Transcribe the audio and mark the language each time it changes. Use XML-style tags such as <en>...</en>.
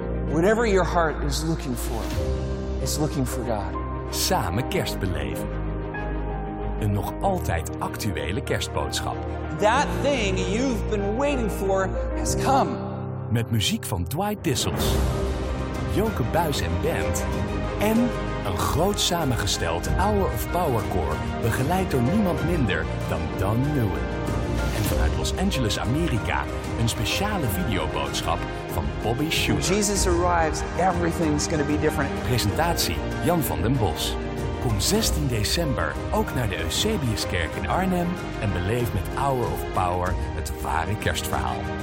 <en>Whatever your heart is looking for, it's looking for God.</en> <nl>Samen kerstbeleven. Een nog altijd actuele kerstboodschap.</nl> <en>That thing you've been waiting for has come.</en> <nl>Met muziek van Dwight Dissels, Joke Buijs en band en een groot samengesteld Hour of Power Corps, begeleid door niemand minder dan Don Noewe. En vanuit Los Angeles, Amerika, een speciale videoboodschap van Bobby Schuman.</nl> <en>When Jesus arrives, everything's going to be different.</en> <nl>Presentatie Jan van den Bos. Kom 16 december ook naar de Eusebiuskerk in Arnhem en beleef met Hour of Power het ware kerstverhaal.</nl>